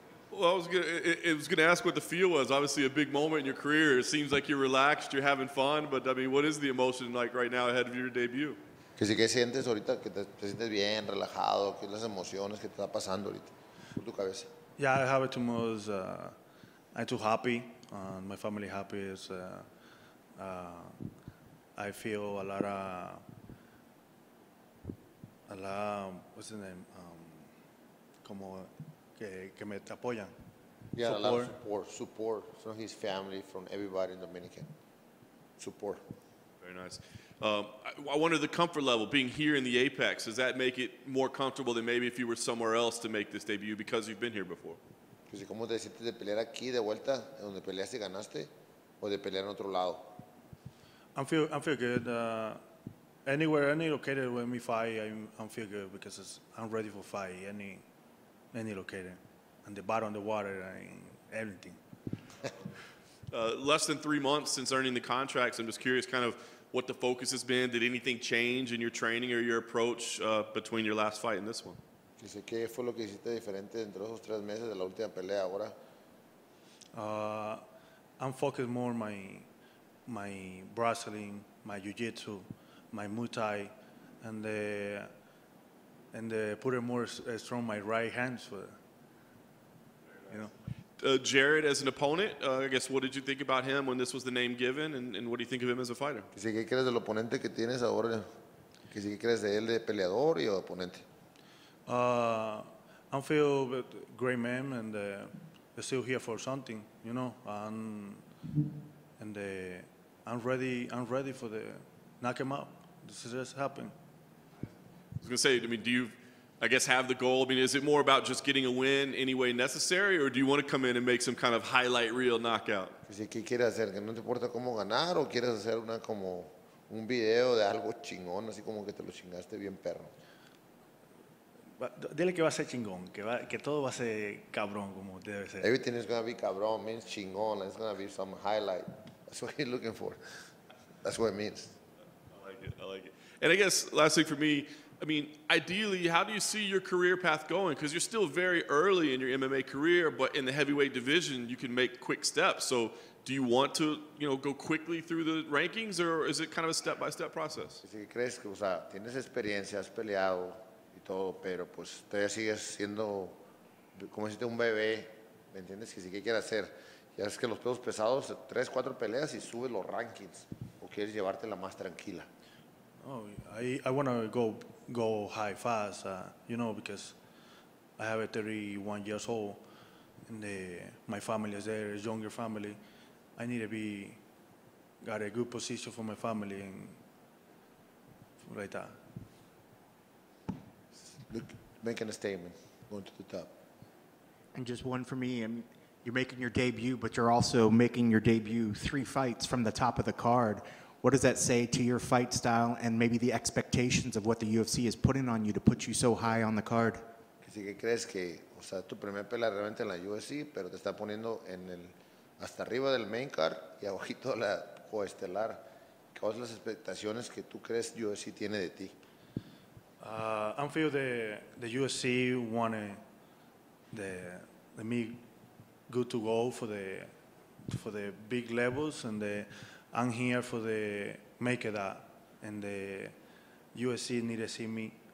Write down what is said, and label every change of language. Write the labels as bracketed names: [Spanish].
[English] Well, I was gonna ask what the feel was. Obviously, a big moment in your career. It seems like you're relaxed, you're having fun. But I mean, what is the emotion like right now ahead of your debut? [Spanish] Que si, que sientes ahorita, que te sientes bien, relajado. ¿Qué las emociones que te está pasando ahorita por tu cabeza? [English] Yeah, I have it too much. I'm too happy. My family happy. Is I feel a lot of. What's his name? [Spanish] Como que me apoyan. [English] Yeah, support. A lot of support from his family, from everybody in Dominican. Support. Very nice. I wonder the comfort level, being here in the Apex, does that make it more comfortable than maybe if you were somewhere else to make this debut because you've been here before? [Spanish] Que si como te sientes de pelear aquí de vuelta, donde peleaste y ganaste, o de pelear en otro lado? [English] I feel good. Anywhere, any located where me fight, I'm feel good because I'm ready for fight. Any located, and the bottom of the water, and everything. Less than 3 months since earning the contracts, I'm just curious, kind of what the focus has been. Did anything change in your training or your approach between your last fight and this one? [Spanish] Dice qué fue lo que hiciste diferente dentro de esos tres meses de la última pelea ahora. [English] I'm focused more on my wrestling, my jiu-jitsu, my Muay Thai, and put it more strong my right hands. For, you know. Jared as an opponent, I guess, what did you think about him when this was the name given, and what do you think of him as a fighter? [Spanish] ¿Qué crees del oponente que tienes ahora? ¿Qué crees de él de peleador y oponente? [English] I feel a great man, and I'm still here for something, you know. I'm ready for the knock him out. This is just happening. I was going to say, I mean, do you, I guess, have the goal? I mean, is it more about just getting a win any way necessary, or do you want to come in and make some kind of highlight reel knockout? [Spanish] ¿Qué quieres hacer? ¿No te importa cómo ganar, o quieres hacer una como un video de algo chingón, así como que te lo chingaste bien perro? Dile que va a ser chingón, que todo va a ser cabrón, como debe ser. [English] Everything is going to be cabrón, means chingón. It's going to be some highlight. That's what you're looking for. That's what it means. I like it. And I guess, last thing for me, I mean, ideally, how do you see your career path going? Because you're still very early in your MMA career, but in the heavyweight division, you can make quick steps. So do you want to, you know, go quickly through the rankings, or is it kind of a step-by-step process? [Spanish] Si crees que, o sea, tienes experiencia, has peleado y todo, pero pues todavía sigues siendo, como si te un bebé, ¿me entiendes? Que si qué quieres hacer, ya es que los pesos pesados, 3-4 peleas y subes los rankings, o quieres llevarte la más tranquila. [English] Oh, I want to go high fast, you know, because I have a 31 years old, and my family is there, a younger family. I need to be, got a good position for my family, and like that. Look, making a statement, going to the top. And just one for me, and you're making your debut, but you're also making your debut 3 fights from the top of the card. What does that say to your fight style and maybe the expectations of what the UFC is putting on you to put you so high on the card? [Spanish] ¿Qué crees que, o sea, tu primer pelea realmente en la UFC, pero te está poniendo en el hasta arriba del main card y abajito la coestelar? ¿Cuáles son las expectaciones que tú crees UFC tiene de ti? [English] I feel the UFC wanted the me good to go for the big levels, and the I'm here for the make it up, and the USC need to see me.